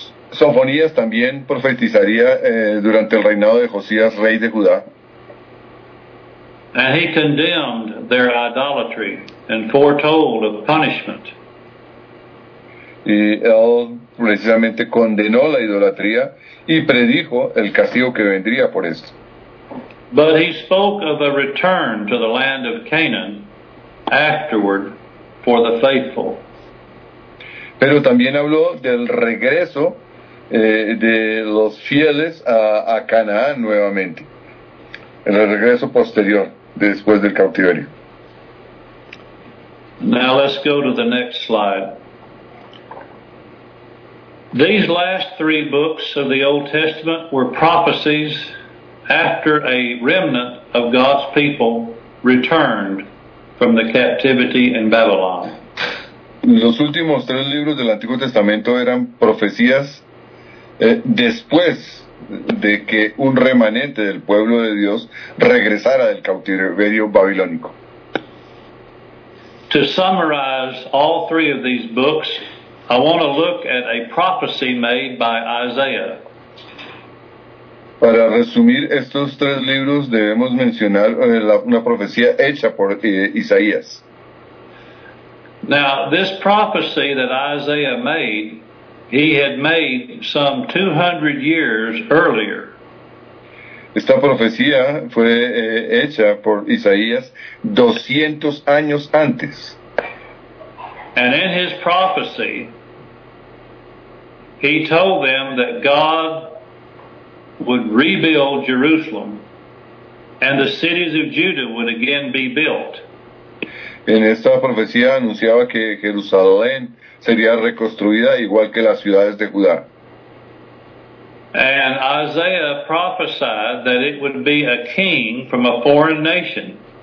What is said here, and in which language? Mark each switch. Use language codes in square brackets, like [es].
[es] Sofonías también profetizaría durante el reinado de Josías, rey de Judá. [en] And he condemned their idolatry and foretold of punishment. [es] Y él precisamente condenó la idolatría y predijo el castigo que vendría por esto. [en] But he spoke of a return to the land of Canaan afterward for the faithful. [es] Pero también habló del regreso de los fieles a Canaán nuevamente, en el regreso posterior después del cautiverio. [en] Now let's go to the next slide. These last three books of the Old Testament were prophecies after a remnant of God's people returned from the captivity in Babylon. [es] Los últimos tres libros del Antiguo Testamento eran profecías después de que un remanente del pueblo de Dios regresara del cautiverio babilónico. [en] To summarize all three of these books, I want to look at a prophecy made by Isaiah. [es] Para resumir estos tres libros, debemos mencionar una profecía hecha por Isaías. [en] Now, this prophecy that Isaiah made, he had made some 200 years earlier. [es] Esta profecía fue hecha por Isaías 200 años antes. [en] And in his prophecy, he told them that God would rebuild Jerusalem and the cities of Judah would again be built. [es] En esta profecía anunciaba que Jerusalén sería reconstruida igual que las ciudades de Judá. [en] And Isaiah prophesied that it would be a king from a foreign nation.